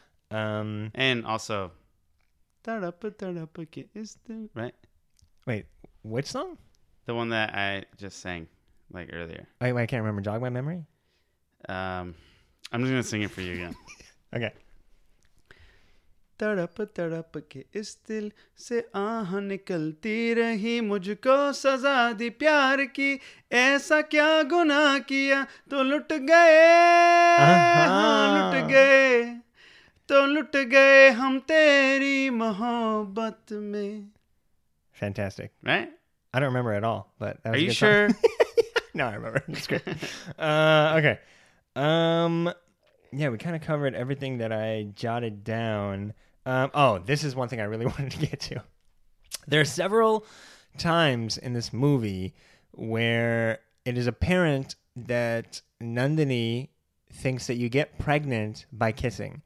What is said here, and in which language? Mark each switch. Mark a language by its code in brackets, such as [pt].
[en] And also, is the right wait, which song? The one that I just sang like earlier. Wait, I can't remember. Jog my memory. I'm just gonna sing it for you again. Okay. [hi] तड़पतड़पके इस दिल से आह निकलती रही मुझको सजा दी प्यार की ऐसा क्या गुनाह किया तो लुट गए हाँ लुट गए हम तेरी मोहब्बत में. [en] Fantastic, right? I don't remember at all, but that was are a good you sure? No, I remember. It's great. Okay. Yeah, we kind of covered everything that I jotted down. This is one thing I really wanted to get to. There are several times in this movie where it is apparent that Nandini thinks that you get pregnant by kissing.